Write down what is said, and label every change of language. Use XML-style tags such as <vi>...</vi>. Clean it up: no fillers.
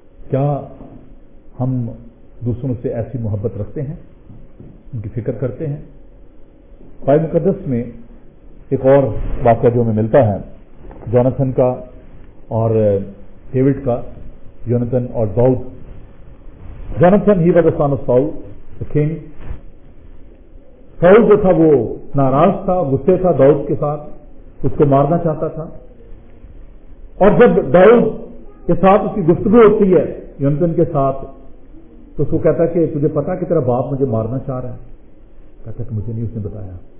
<ur>کیا ہم دوسروں سے ایسی محبت رکھتے ہیں, ان کی فکر کرتے ہیں؟ بائبل مقدس میں ایک اور واقعہ جو ہمیں ملتا ہے جوناتھن کا اور ڈیوڈ کا, یوناتھن اور داؤد.</ur> <en>Jonathan he was son of Saul the king.</en> <ur>Saul جو تھا وہ ناراض تھا, غصے تھا داؤد کے ساتھ, اس کو مارنا چاہتا تھا. اور جب داؤد کے ساتھ اس کی گفتگو ہوتی ہے یوناتھن کے ساتھ, تو اس کو کہتا ہے کہ تجھے پتا کہ تیرا باپ مجھے مارنا چاہ رہا ہے؟ کہتا کہ مجھے نہیں اس نے بتایا.</ur>